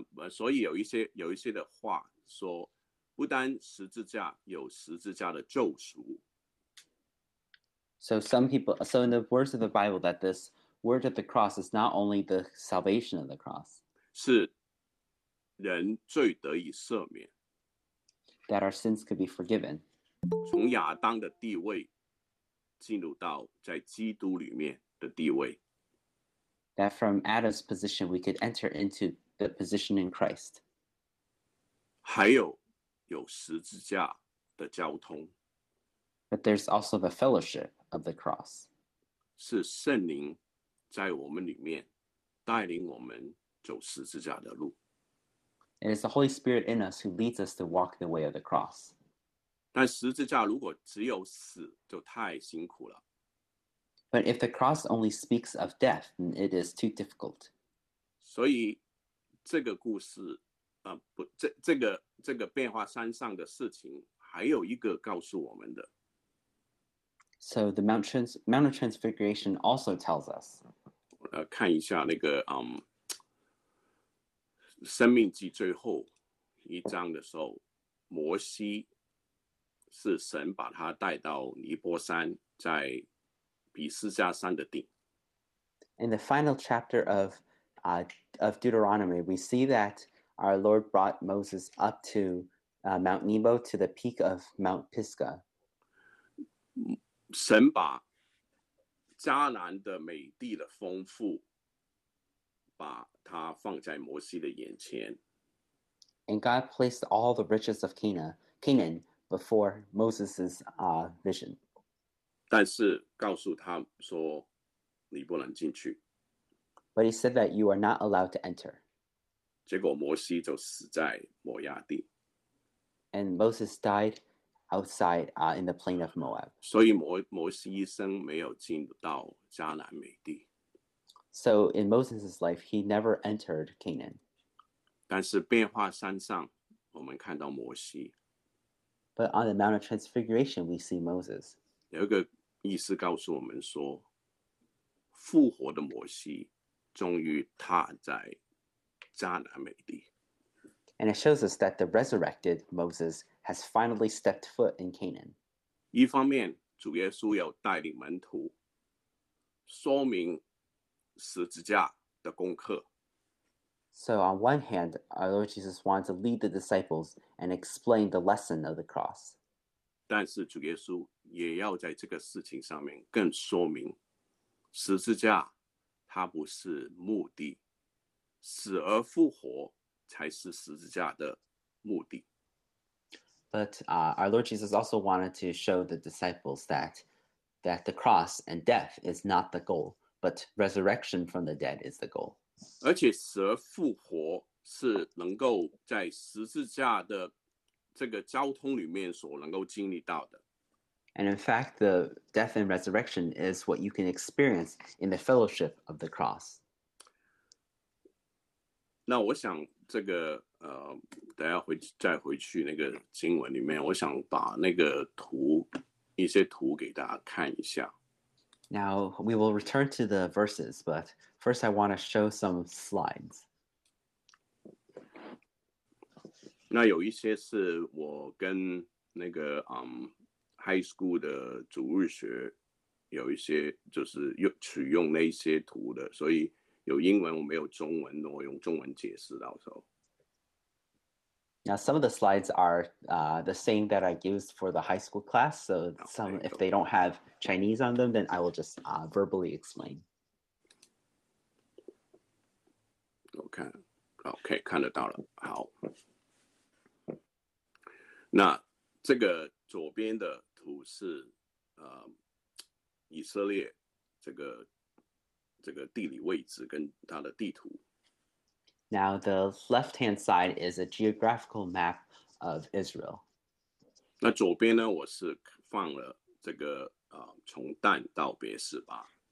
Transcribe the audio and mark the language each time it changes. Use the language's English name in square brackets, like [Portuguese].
[Chinese] 所以圣经里，所以有一些的话说, 不单十字架有十字架的救赎。 [English] So in the words of the Bible that this word of the cross is not only the salvation of the cross. [Chinese] 是人罪得以赦免, [English] that our sins could be forgiven. [Chinese] 从亚当的地位进入到在基督里面的地位, [English] that from Adam's position, we could enter into the position in Christ. [Chinese] 还有十字架的交通, [English] but there's also the fellowship of the cross. [Chinese] 是圣灵在我们里面带领我们走十字架的路。 [English] It is the Holy Spirit in us who leads us to walk the way of the cross. [Chinese] 但十字架如果只有死，就太辛苦了。 [English] But if the cross only speaks of death, then it is too difficult. [Chinese] 所以这个故事，不，这个变化山上的事情，还有一个告诉我们的， [English] So the Mount of Transfiguration also tells us. [Chinese] 看一下那个，生命记最后一章的时候，摩西。是神把他带到尼泊山，在比斯加山的顶。 [English] In the final chapter of Deuteronomy, we see that our Lord brought Moses up to Mount Nebo to the peak of Mount Pisgah. [Chinese] 神把迦南的美地的丰富，把它放在摩西的眼前。 [English] And God placed all the riches of Canaan before Moses's vision. [Chinese] 但是告诉他说，你不能进去。 [English] But he said that you are not allowed to enter. [Chinese] 结果摩西就死在摩崖地。 [English] And Moses died outside in the plain of Moab. [Chinese] 所以摩西一生没有进到迦南美地。 [English] So in Moses' life, he never entered Canaan. [Chinese] 但是变化山上，我们看到摩西。 [English] But on the Mount of Transfiguration, we see Moses. [Chinese] 有一个。意思告诉我们说，复活的摩西终于踏在迦南美地。 [English] And it shows us that the resurrected Moses has finally stepped foot in Canaan. [Chinese] 一方面，主耶稣要带领门徒，说明十字架的功课。 [English] So on one hand, our Lord Jesus wants to lead the disciples and explain the lesson of the cross. [Chinese] 但是主耶稣也要在这个事情上面更说明，十字架它不是目的，死而复活才是十字架的目的。 [English] But our Lord Jesus also wanted to show the disciples that the cross and death is not the goal, but resurrection from the dead is the goal. [Chinese] 而且死而复活是能够在十字架的。这个交通里面所能够经历到的， [English] And in fact, the death and resurrection is what you can experience in the fellowship of the cross. [Chinese] 那我想这个等下再回去那个经文里面，我想把那个图一些图给大家看一下。 [English] Now we will return to the verses, but first I want to show some slides. [Chinese] 那有一些是我跟那个high school 的主日学有一些就是用取用那一些图的，所以有英文我没有中文，我用中文解释到时候。 [English] Now some of the slides are the same that I used for the high school class, so some if they don't have Chinese on them, then I will just verbally explain. [Chinese] OK，看得到了，好。那这个左边的图是以色列这个地理位置跟它的地图。 [English] Now, the left-hand side is a geographical map of Israel. [Chinese] 那左边呢，我是放了这个从但到别是巴。